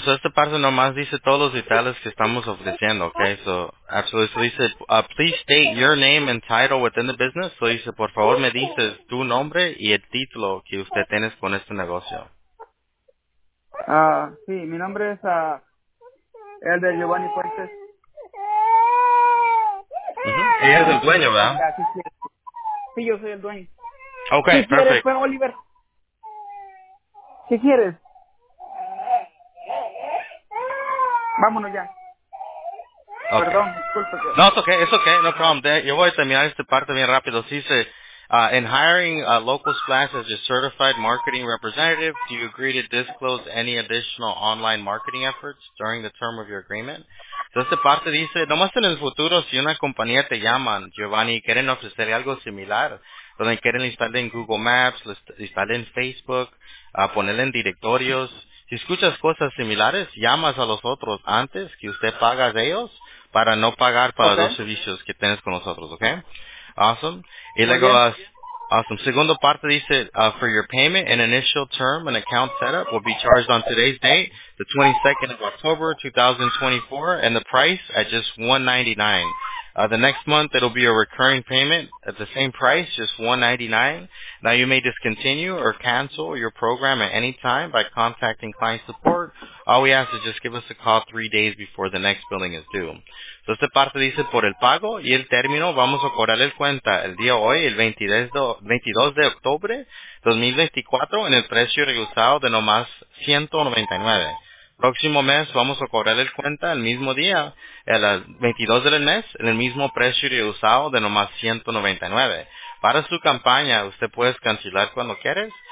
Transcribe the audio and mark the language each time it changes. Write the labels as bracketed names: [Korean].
[Spanish] So, esta parte nomás dice todos los detalles que estamos ofreciendo, okay? [English] So, absolutely. So, dice, please state your name and title within the business. [Spanish] So, dice, por favor, me dices tu nombre y el título que usted tienes con este negocio. Sí, mi nombre es el de Giovanni Fuentes. Uh-huh. Y es el dueño, ¿verdad? Sí, yo soy el dueño. [English] Okay, [Spanish] si [English] perfect. [Spanish] Quieres, pero Oliver. ¿Qué quieres? Vámonos ya. [English] Okay. [Spanish] Perdón, disculpa. No, es okay, [English] no problem. [Spanish] Yo voy a terminar esta parte bien rápido. [English] Sí, dice, in hiring a Local Splash as your certified marketing representative, do you agree to disclose any additional online marketing efforts during the term of your agreement? [Spanish] Entonces, esta parte dice, nomás en el futuro, si una compañía te llaman, Giovanni, quieren ofrecer algo similar, donde quieren instalar en Google Maps, instalar en Facebook, ponerle en directorios. Si escuchas cosas similares, llamas a los otros antes que usted paga de ellos para no pagar para los servicios que tienes con nosotros, ¿ok? [English] Awesome. [Spanish] Y luego, [English] awesome. [Spanish] Segundo parte dice, [English] for your payment, an initial term and account setup will be charged on today's date, the 22nd of October, 2024, and the price at just $199. The next month, it'll be a recurring payment at the same price, just $199. Now, you may discontinue or cancel your program at any time by contacting client support. All we ask is just give us a call 3 days before the next billing is due. [Spanish] So, esta parte dice por el pago y el término, vamos a cobrar el cuenta el día hoy, el 22 de octubre 2024, en el precio regresado de nomás $199. Próximo mes vamos a cobrar el cuenta el mismo día, el 22 del mes, en el mismo precio rehusado de nomás $199. Para su campaña, usted puede cancelar cuando quieres.